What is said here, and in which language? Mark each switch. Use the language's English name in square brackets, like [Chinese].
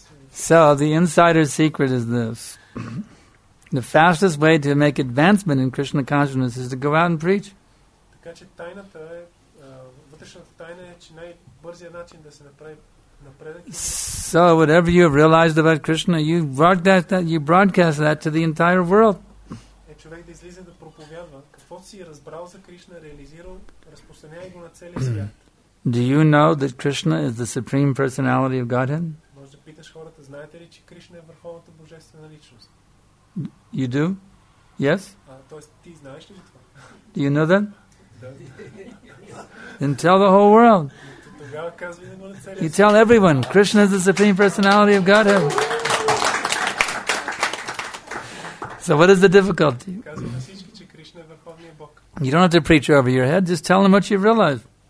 [English] So the insider secret is this. The fastest way to make advancement in Krishna consciousness is to go out and preach. [Bulgarian] Така че тайната е, вътрешната тайна е, че най-бързият начин да се направи напредък. [English] So whatever you have realized about Krishna, you broadcast that to the entire world. [Bulgarian] Е човек да излиза да проповядва, какво си разбрал за Кришна, реализирал, разпространявай го на целия свят. [English] Do you know that Krishna is the Supreme Personality of Godhead? [Bulgarian] Може да питаш хората, знаете ли, че Кришна е върховната божествена личност? [English] You do? Yes? [Bulgarian] Тоест, ти знаеш ли това? [English] Do you know that? [Bulgarian] Да. [English] Then tell the whole world. [Bulgarian] Тогава казвай на целия свят. [English] You tell everyone, Krishna is the Supreme Personality of Godhead. So what is the difficulty? [Bulgarian] Казвай на всички, че Кришна е върховният Бог. [English] You don't have to preach over your head, just tell them what you've realized.